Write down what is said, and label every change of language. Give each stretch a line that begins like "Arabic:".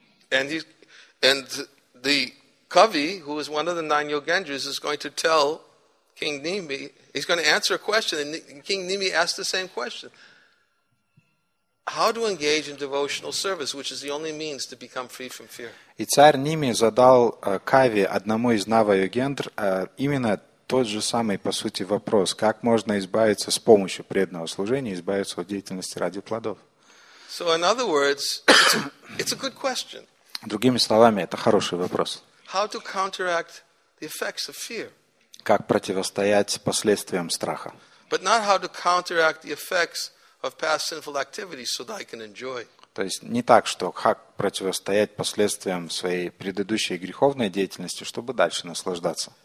English: And the Kavi, who is one of the nine Yogendras, is going to tell King Nimi, he's going to answer a question, and King Nimi asked the same question. How to engage in devotional service, which is the only means to become free from fear.
Russian: И царь Ними задал Кави, одному из Нава-Йогендр, именно тот же самый, по сути, вопрос. Как можно избавиться с помощью преданного служения, избавиться от деятельности ради плодов?
English: So, in other words, it's a good question.
Russian: Другими словами, это хороший вопрос.
English: How to counteract the effects of fear?
Russian: Как противостоять последствиям страха?
English: But not how to counteract the effects of past sinful activities so that I can enjoy.
Russian: То есть не так, что как противостоять последствиям своей предыдущей греховной деятельности, чтобы дальше наслаждаться.